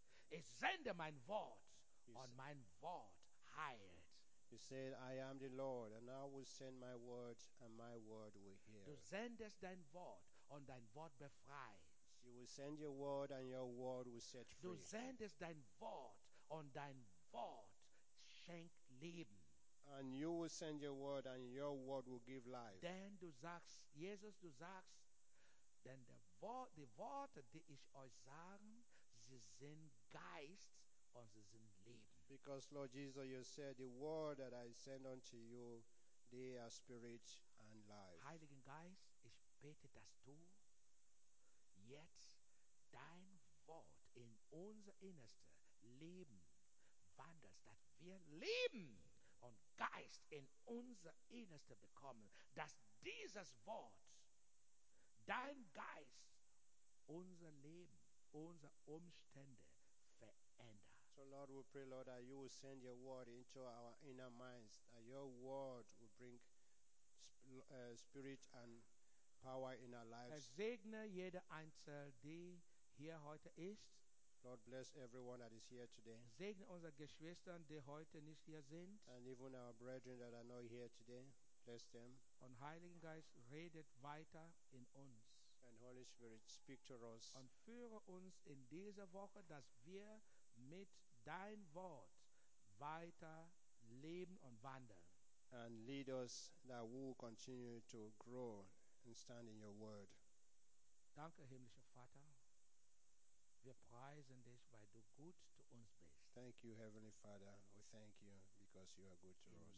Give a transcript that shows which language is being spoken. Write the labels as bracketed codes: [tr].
[de] Ich sende mein Wort und mein Wort heilt. [en] You said, I am the Lord and I will send my word and my word will heal. [de] Du sendest dein Wort und dein Wort befreit. [en] You will send your word and your word will set free. [de] Du sendest dein Wort und dein Wort schenk Leben. [en] And you will send your word and your word will give life. [de] Denn du sagst, Jesus, du sagst, denn die Worte, die ich euch sage, sie sind Geist und sie sind Leben. [en] Because Lord Jesus, you said the word that I send unto you, they are spirit and life. [de] Heiligen Geist, ich bete, dass du jetzt dein Wort in unser Innerste Leben wandelst, dass wir Leben und Geist in unser Innerste bekommen, dass dieses Wort, dein Geist, unser Leben, unsere Umstände verändert. [en] So Lord, we pray, Lord, that you will send your word into our inner minds, that your word will bring spirit and power in our lives. [de] Segne jede Einzel, die hier heute ist. [en] Lord, bless everyone that is here today. [de] Segne unsere Geschwister, die heute nicht hier sind. [en] And even our brethren that are not here today. Bless them. [de] Und Heiligen Geist, redet weiter in uns. [en] And Holy Spirit, speak to us. [de] Und führe uns in dieser Woche, dass wir mit dein Wort weiter leben und wandeln. [en] And lead us that we will continue to grow and stand in your word. [de] Danke, himmlischer Vater. Wir preisen dich, weil du gut zu uns bist. [en] Thank you, Heavenly Father. We thank you because you are good to us.